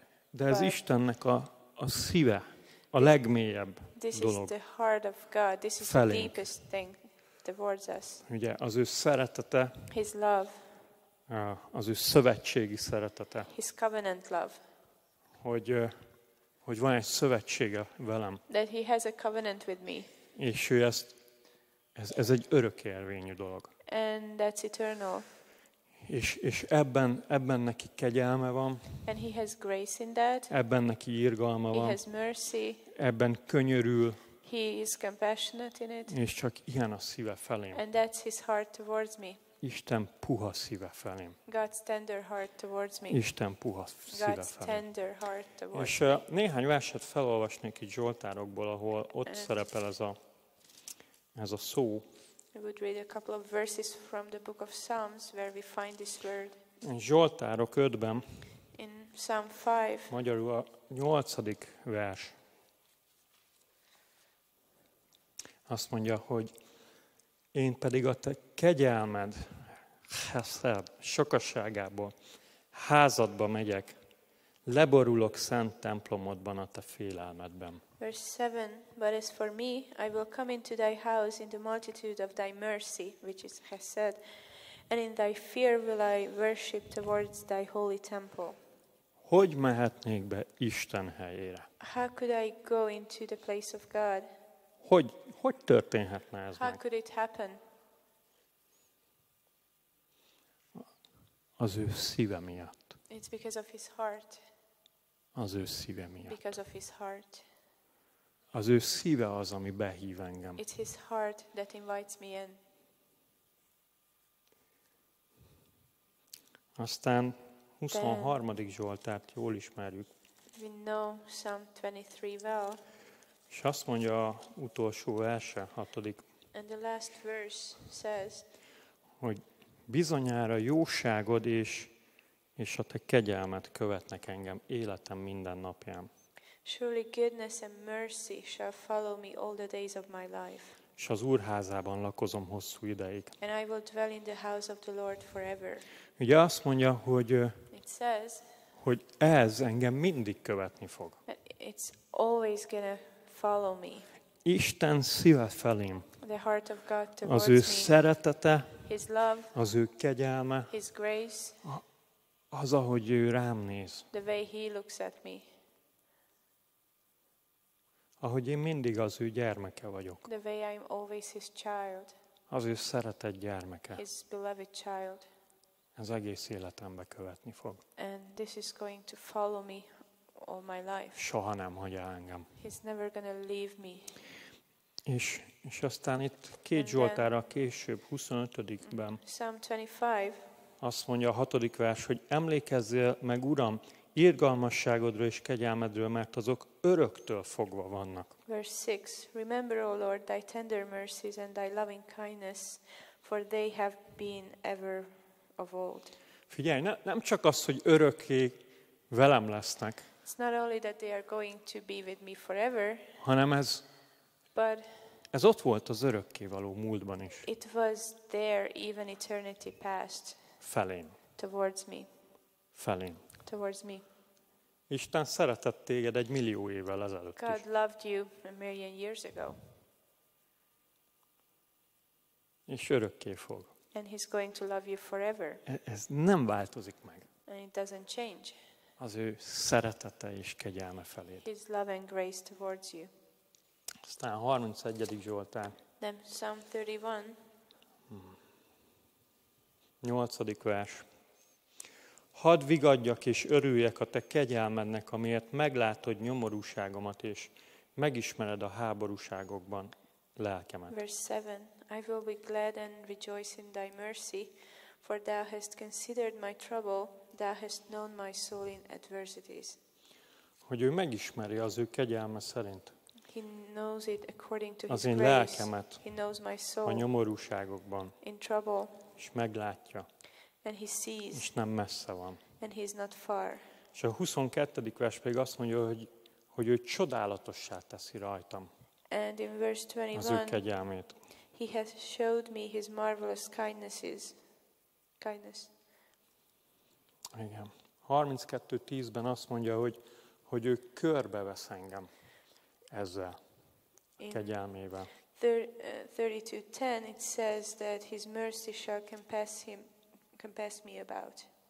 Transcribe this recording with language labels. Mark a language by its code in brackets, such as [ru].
[hu] De ez Istennek a szíve, a legmélyebb dolog. [en] This is the heart of God. This is the deepest thing towards us. [hu] Ugye az ő szeretete. [en] His love. [hu] Az ő szövetségi szeretete. [en] His covenant love. [hu] Hogy van egy szövetsége velem. [en] That he has a covenant with me. [hu] És ő ezt Ez egy örökérvényű dolog. [en] And that's eternal. [hu] És ebben neki kegyelme van. [en] And he has grace in that. [hu] Ebben neki irgalma van. [en] He has mercy. [hu] Ebben könyörül. [en] He is compassionate in it. [hu] És csak ilyen a szíve felém. [en] And that's his heart towards me. [hu] Isten puha szíve felém. [en] God's tender heart towards me. [hu] Isten puha szíve [en] God's [hu] felém. [en] Tender heart towards [hu] és [en] me. [hu] Néhány verset felolvasnék itt Zsoltárokból, ahol ott and szerepel ez a szó. [en] I would read a couple of verses from the book of Psalms where we find this word. [hu] Zsoltárok 5-ben. [en] In Psalm 5. [hu] Magyarul a 8. vers. Azt mondja, hogy én pedig a te kegyelmed, chesed, sokasságából házadba megyek, leborulok szent templomodban a te félelmedben. [en] Verse 7, but as for me, I will come into thy house in the multitude of thy mercy, which is chesed, and in thy fear will I worship towards thy holy temple. [hu] Hogy mehetnék be Isten helyére? [en] How could I go into the place of God? [hu] Hogy történhetne ez? [en] How could it happen? [hu] Az ő szíve miatt. [en] It's because of his heart. [hu] Az ő szíve miatt. [en] Because of his heart. [hu] Az ő szíve az, ami behív engem. [en] It's his heart that invites me in. [hu] Aztán 23. Zsoltárt jól ismerjük. [en] We know Psalm 23 well. [hu] És azt mondja a utolsó verse, 6. [en] And the last verse says, [hu] hogy bizonyára jóságod és a te kegyelmed követnek engem életem minden napján. [en] Surely goodness and mercy shall follow me all the days of my life. [hu] És az úrházában lakozom hosszú ideig. [en] And I will dwell in the house of the Lord forever. [hu] Ugye azt mondja, hogy [en] it says, [hu] hogy ez engem mindig követni fog. [en] It's always gonna follow me. [hu] Isten szíve felém. [en] The heart of God towards me. [hu] Az ő szeretete, [en] his love, [hu] az ő kegyelme, [en] his grace, [hu] az, ahogy ő rám néz. [en] The way he looks at me. [hu] Ahogy én mindig az ő gyermeke vagyok. [en] The way I'm always his child. [hu] Az ő szeretett gyermeke. [en] His beloved child. [hu] Ez egész életembe követni fog. [en] And this is going to follow me all my life. [hu] Soha nem hagyja engem. [en] He's never gonna leave me. [hu] És aztán itt két Zsoltára később, 25-ben [en] Psalm 25. [hu] Azt mondja a 6. vers, hogy emlékezzél meg, Uram, irgalmasságodról és kegyelmedről, mert azok öröktől fogva vannak. [en] Verse 6. Remember, O Lord, thy tender mercies and thy loving kindness, for they have been ever of old. [hu] Figyelj, nem csak az, hogy örökké velem lesznek. [en] It's not only that they are going to be with me forever. [hu] Hanem ez, [en] but [hu] ez ott volt az örökké való múltban is. [en] It was there even eternity past. [hu] Felém. [en] Towards me. [hu] Felém. [en] Towards me. [hu] Isten szeretett téged egy millió évvel ezelőtt is. [en] God loved you a million years ago. [hu] És örökké fog. [en] And he's going to love you forever. [hu] Ez nem változik meg. [en] And it doesn't change. [hu] Az ő szeretete és kegyelme feléd. [en] His love and grace towards you. [hu] Aztán 31. Zsoltár. [en] Then Psalm 31. [hu] 8. vers. Hadd vigadjak és örüljek a te kegyelmednek, amiért meglátod nyomorúságomat, és megismered a háborúságokban lelkemet. [en] Verse 7. I will be glad and rejoice in thy mercy, for thou hast considered my trouble, thou hast known my soul in adversities. [hu] Hogy ő megismeri az ő kegyelme szerint. [en] He knows it according to [hu] az [en] his [hu] én [en] grace. [hu] Lelkemet. [en] He knows my soul. [hu] A nyomorúságokban. [en] In trouble. [hu] És meglátja. [en] And he sees. [hu] És nem messze van. [en] And he is not far. [hu] És a 22. vers pedig azt mondja, hogy ő csodálatossá teszi rajtam. [en] And in verse 21. [hu] Az ő kegyelmét. [en] He has showed me his marvelous kindnesses. Kindness. [hu] Igen. 32:10-ben azt mondja, hogy ő körbevesz engem ezzel a kegyelmével. [en] 32:10 it says that his mercy shall compass me about.